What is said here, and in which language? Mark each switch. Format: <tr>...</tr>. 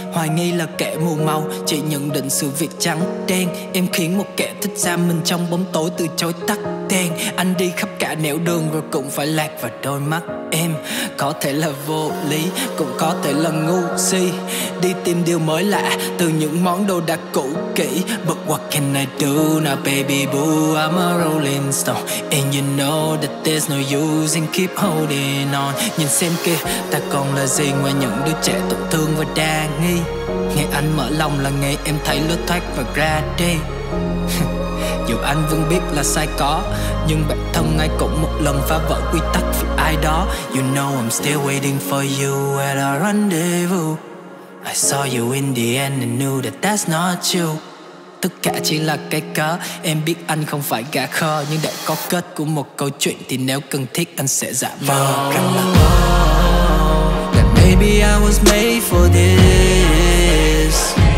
<vi>Hoài nghi là kẻ mù màu, chỉ nhận định sự việc trắng đen. Em khiến một kẻ thích xa mình trong bóng tối từ chối tắt đèn. Anh đi khắp cả nẻo đường rồi cũng phải lạc vào đôi mắt em. Có thể là vô lý, cũng có thể là ngu si. Đi tìm điều mới lạ từ những món đồ đặc cũ kỹ.</vi> <en>But what can I do now baby boo, I'm a rolling stone. And you know that there's no use in keep holding on.</en> <vi>Nhìn xem kia, ta còn là gì ngoài những đứa trẻ tổn thương và đa nghi. Ngày anh mở lòng là ngày em thấy lối thoát và ra đi. Dù anh vẫn biết là sai có, nhưng bản thân ai cũng một lần phá vỡ quy tắc vì ai đó.</vi> <en>You know I'm still waiting for you at a rendezvous. I saw you in the end and knew that that's not you.</en> <vi>Tất cả chỉ là cái cớ, em biết anh không phải gà khờ. Nhưng để có kết của một câu chuyện thì nếu cần thiết anh sẽ giả vờ. Rằng là</vi> <en>that maybe I was made for this.</en>